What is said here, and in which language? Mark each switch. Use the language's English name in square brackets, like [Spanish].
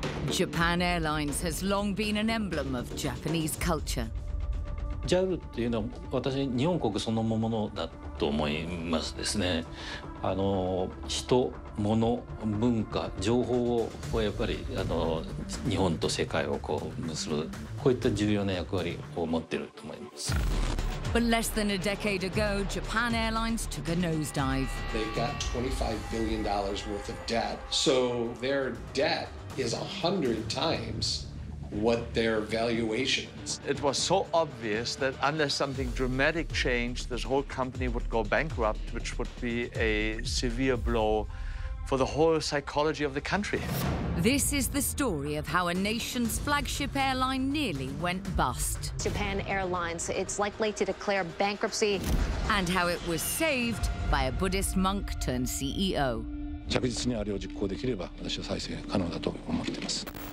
[English] Japan Airlines has long been an emblem of Japanese culture. [Japanese] JAL っていうのは私日本国そのものだと思いますですね。人、物、文化、情報をやっぱり日本と世界をこう結ぶ、こういった重要な役割を持ってると思います。 [English] But less than a decade ago, Japan Airlines took a nosedive. They've got $25 billion worth of debt. So their debt is 100 times what their valuation is. It was so obvious that unless something dramatic changed, this whole company would go bankrupt, which would be a severe blow for the whole psychology of the country. This is the story of how a nation's flagship airline nearly went bust. Japan Airlines, it's likely to declare bankruptcy. And how it was saved by a Buddhist monk turned CEO. [Japanese] 着実にあれを実行できれば、私は再生可能だと思っています。